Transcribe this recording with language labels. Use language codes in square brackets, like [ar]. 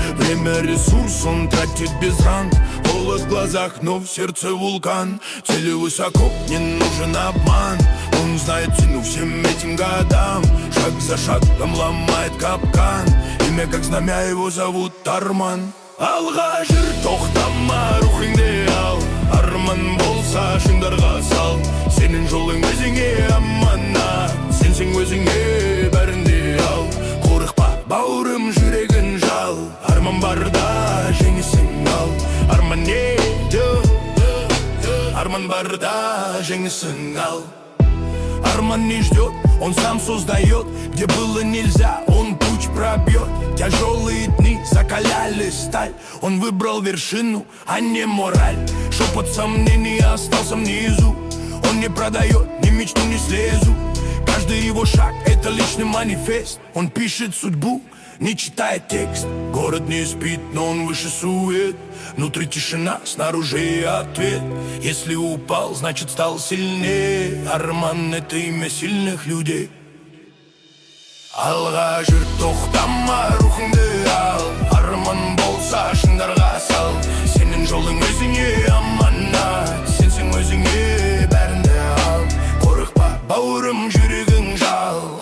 [ru] Время ресурс, он тратит без ран. Холод в глазах, но в сердце вулкан. Цели высоко, не нужен обман. Он знает цену всем этим годам. Шаг за шагом ломает капкан. Имя как знамя, его зовут Арман. [kk] Алға жүр, тоқтама, рухыңды ал. Арман болса, шыңдарға сал. Сенің жолың өзіңе амана. Сенсің өзіңе бәрінде ал. Қорықпа, бауырым, жүрегін жал. Арман барда, жеңісің ал. Арман не? Арман барда, жеңісің ал. [ru] Арман не ждет, он сам создает. Где было нельзя, он путь пробьет. Тяжелые дни закаляли сталь. Он выбрал вершину, а не мораль. Шепот сомнений остался внизу. Он не продает ни мечту, ни слезу. Каждый его шаг — это личный манифест. Он пишет судьбу, не читая текст. Город не спит, но он выше сует. Внутри тишина, снаружи ответ. Если упал, значит стал сильнее. Арман — это имя сильных людей. [kk] Алға жүр, тоқтама, рухыңды ал. Арман болса, шыңдарға сал. Сенің жолың өзіңе амана. Сенсің өзіңе бәрінді ал. Қорықпа, бауырым, жүрегің жал.